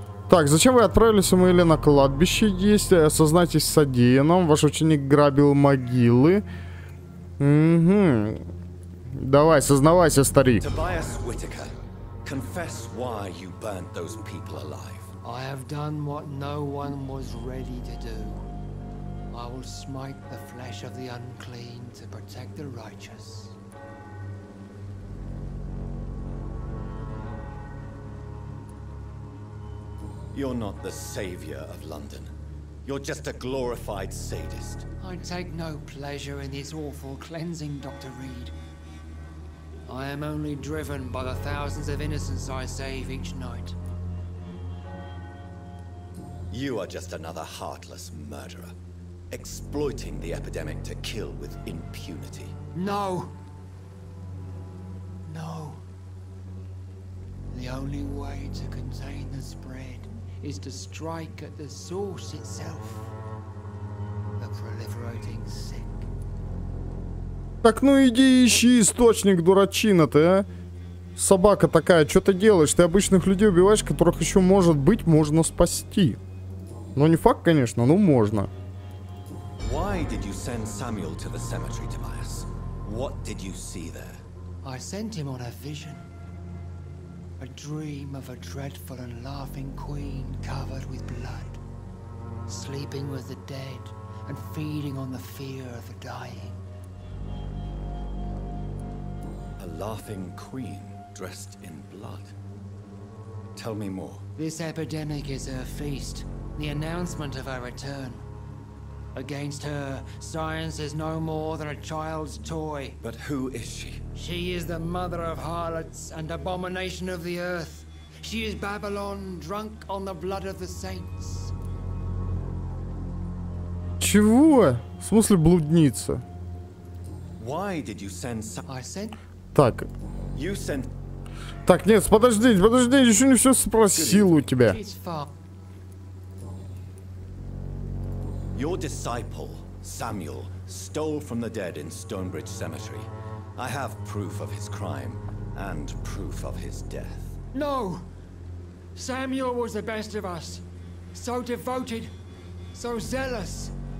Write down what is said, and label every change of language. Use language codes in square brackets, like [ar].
[ru] Так, зачем вы отправили Самуэля на кладбище? Есть, осознайтесь содеянным. Ваш ученик грабил могилы. Угу. Давай, сознавайся, старик. [en] Тобиас Уитакер, confess why you burnt those people alive. I have done what no one was ready to do. I will smite the flesh of the unclean to protect the righteous. You're not the savior of London. You're just a glorified sadist. I take no pleasure in this awful cleansing, Dr. Reed. I am only driven by the thousands of innocents I save each night. You are just another heartless murderer, exploiting the epidemic to kill with impunity. No! No. The only way to contain the spread is to strike at the source itself, the proliferating sick. [ru] Так ну иди ищи источник, дурачина ты, а? Собака такая, что ты делаешь? Ты обычных людей убиваешь, которых еще, может быть, можно спасти. Но не факт, конечно, но можно. [en] Why did you send Samuel to the cemetery, Tobias? What did you see there? I sent him on a vision. A dream of a dreadful and laughing queen covered with blood, sleeping with the dead and feeding on the fear of the dying. A laughing queen dressed in blood. Tell me more. This epidemic is her feast, the announcement of her return. Against her, science is no more than a child's toy. But who is she? She is the mother of harlots and abomination of the earth. She is Babylon, drunk on the blood of the saints. [ru] Чего? В смысле блудница? [en] Why did you send I sent? [ru] Так. [en] You sent... [ru] Так, нет, подожди, подожди, еще не все спросил у тебя. [en] Your disciple, Samuel, stole from the dead in Stonebridge Cemetery. I have proof of his crime and proof of his death. No! Samuel was the best of us. So devoted, so zealous.